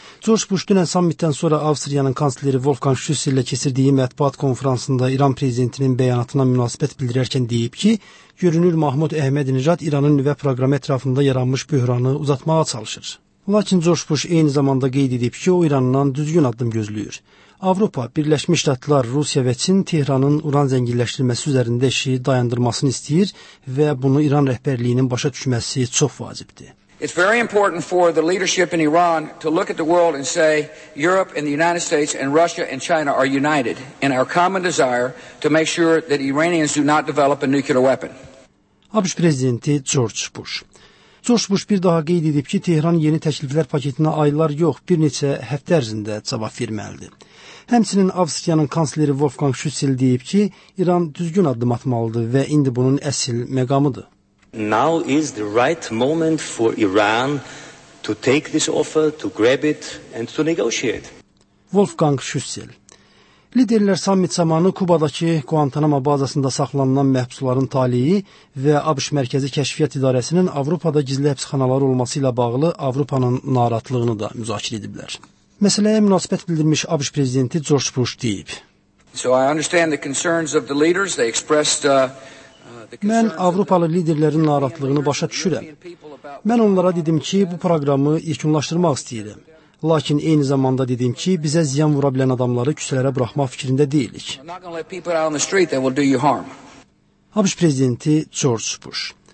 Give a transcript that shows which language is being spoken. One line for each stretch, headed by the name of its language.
Azerbaijani: George Bush dünən sammitdən sonra Avstriyanın kansleri Wolfgang Schüssel ilə keçirdiyi mətbuat konferansında İran prezidentinin bəyanatına münasibət bildirərkən deyib ki, görünür Mahmud Əhmədinəcad İranın nüvə proqramı ətrafında yaranmış böhranı uzatmağa çalışır. Lakin George Bush eyni zamanda qeyd edib ki, o İrandan düzgün addım gözləyir. Avropa, Birləşmiş Ştatlar, Rusiya və Çin Tehranın uran zənginləşdirilməsi üzərində işi dayandırmasını istəyir və bunu İran rəhbərliyinin başa düşməsi çox vacibdir.
English: It's very important for the leadership in Iran to look at the world and say, Europe and the United States and Russia and China are united in our common desire to make sure that Iranians do not develop a nuclear weapon.
Azerbaijani: ABŞ Prezidenti George Bush. George Bush bir daha qeyd edib ki, Tehran yeni təkliflər paketinə aylar yox, bir neçə həftə ərzində cavab verməlidir. Həmçinin Avstriyanın kansleri Wolfgang Schüssel deyib ki, İran düzgün addım atmalıdır və indi bunun əsl məqamıdır.
English: Now is the right moment for Iran to take this offer, to grab it and to negotiate.
Azerbaijani: Wolfgang Schüssel. Liderlər sammit zamanı Kubadakı Guantanamo bazasında saxlanılan məhbusların taliyi və ABŞ Mərkəzi Kəşfiyyat İdarəsinin Avropada gizli həbsxanaları olması ilə bağlı Avropanın narahatlığını da müzakirə ediblər. Məsələyə münasibət bildirmiş ABŞ prezidenti George Bush deyib.
English: So I understand the concerns of the leaders. They expressed
Azerbaijani: Mən Avropalı liderlərin narahatlığını başa düşürəm. Mən onlara dedim ki, bu proqramı yekunlaşdırmaq istəyirəm. Lakin eyni zamanda dedim ki, bizə ziyan vura bilən adamları küçələrə buraxmaq fikrində deyilik. ABŞ prezidenti George Bush.